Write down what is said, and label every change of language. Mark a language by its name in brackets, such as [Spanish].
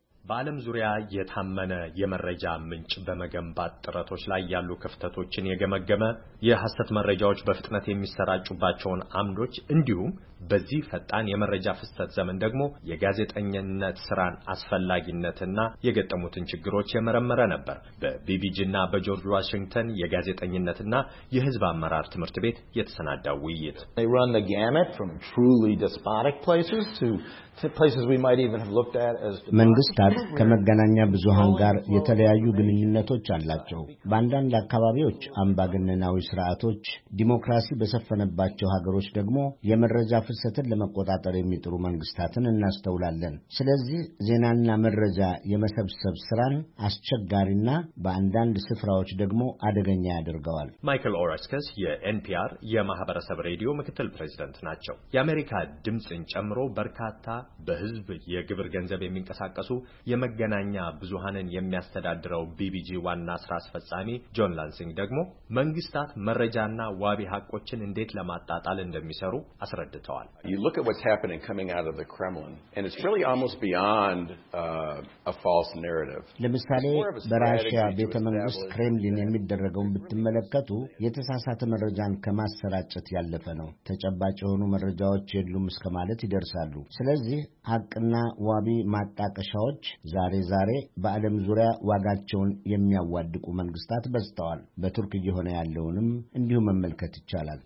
[Amharic] በዓለም ዙሪያ የታመነ የመረጃ ምንጭ በመገንባት ጥረቶች ላይ ያሉ ክፍተቶችን የገመገመ የሐሰት መረጃዎች በፍጥነት የሚሰራጩባቸውን አምዶች እንዲሁም በዚህ ፈጣን የመረጃ ፍሰት ዘመን ደግሞ የጋዜጠኝነት ስራን አስፈላጊነትና የገጠሙትን ችግሮች የመረመረ ነበር። በቢቢጂና በጆርጅ ዋሽንግተን የጋዜጠኝነትና የህዝብ አመራር ትምህርት ቤት የተሰናዳው ውይይት [English] They run the gamut from truly despotic places to places we might even have looked at as [Amharic] መንግስታት ከመገናኛ ብዙሃን ጋር የተለያዩ ግንኙነቶች አላቸው። በአንዳንድ አካባቢዎች አምባገነናዊ ስርዓቶች፣ ዲሞክራሲ በሰፈነባቸው ሀገሮች ደግሞ የመረጃ ፍሰትን ለመቆጣጠር የሚጥሩ መንግስታትን እናስተውላለን። ስለዚህ ዜናና መረጃ የመሰብሰብ ስራን አስቸጋሪና በአንዳንድ ስፍራዎች ደግሞ አደገኛ ያደርጋል። ማይክል ኦራስከስ የኤንፒአር የማህበረሰብ ሬዲዮ ምክትል ፕሬዝዳንት ናቸው። የአሜሪካ ድምጽን ጨምሮ በርካታ በህዝብ የግብር ገንዘብ የሚንቀሳቀሱ የመገናኛ ብዙሃንን የሚያስተዳድረው ቢቢጂ ዋና ስራ አስፈጻሚ ጆን ላንሲንግ ደግሞ መንግስታት መረጃና ዋቢ ሐቆችን እንዴት ለማጣጣል እንደሚሰሩ አስረድተዋል። [English] You look at what's happening coming out of the Kremlin and it's really almost beyond a false narrative. [Amharic] ለምሳሌ በራሽያ ቤተ መንግስት ክሬምሊን የሚደረገውን ብትመለከቱ የተሳሳተ መረጃን ከማሰራጨት ያለፈ ነው። ተጨባጭ የሆኑ መረጃዎች የሉም እስከማለት ይደርሳሉ። ስለዚህ ሐቅና ዋቢ ማጣቀሻዎች ዛሬ በዓለም ዙሪያ ዋጋቸውን የሚያዋድቁ መንግስታት በዝተዋል። በቱርክ ይሆነ ያለውንም እንዲሁ መመልከት ይቻላል።